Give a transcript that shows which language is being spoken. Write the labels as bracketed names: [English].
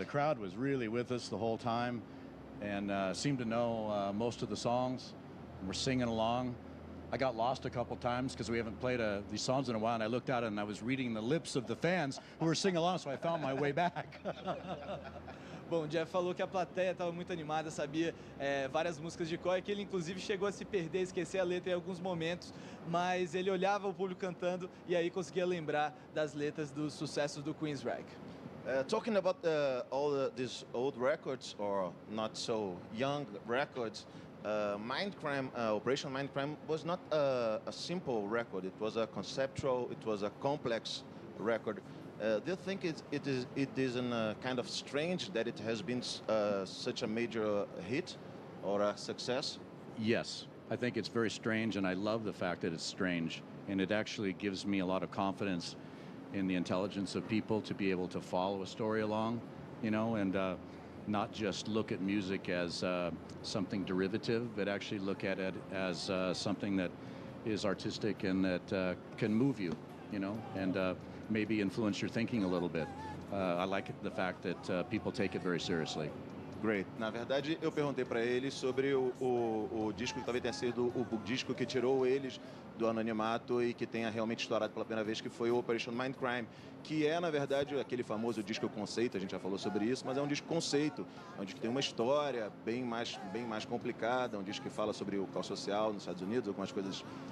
[English] The crowd was really with us the whole time and seemed to know most of the songs. We're singing along. I got lost a couple times because we haven't played these songs in a while, and I looked out and I was reading the lips of the fans who were singing along, so I found my way back. [Portuguese] Bom, o Geoff falou que a plateia estava muito animada, sabia várias músicas de cor, e que ele inclusive chegou a se perder, esquecer a letra em alguns momentos, mas ele olhava o público cantando e aí conseguia lembrar das letras dos sucessos do QUEENSRŞCHE. [English] Talking about all these old records, or not so young records, Operation Mindcrime was not a simple record. It was a conceptual, it was a complex record. Do you think it is in a kind of strange that it has been such a major hit or a success? Yes, I think it's very strange, and I love the fact that it's strange, and it actually gives me a lot of confidence in the intelligence of people to be able to follow a story along, you know, and not just look at music as something derivative, but actually look at it as something that is artistic and that can move you, you know, and maybe influence your thinking a little bit. I like the fact that people take it very seriously. Great. [Portuguese] Na verdade, eu perguntei para eles sobre o disco que talvez tenha sido o disco que tirou eles do anonimato e que tenha realmente estourado pela primeira vez, que foi o Operation Mindcrime, que é, na verdade, aquele famoso disco conceito, a gente já falou sobre isso, mas é um disco conceito, é um disco que tem uma história bem mais complicada, é um disco que fala sobre o caos social nos Estados Unidos, algumas coisas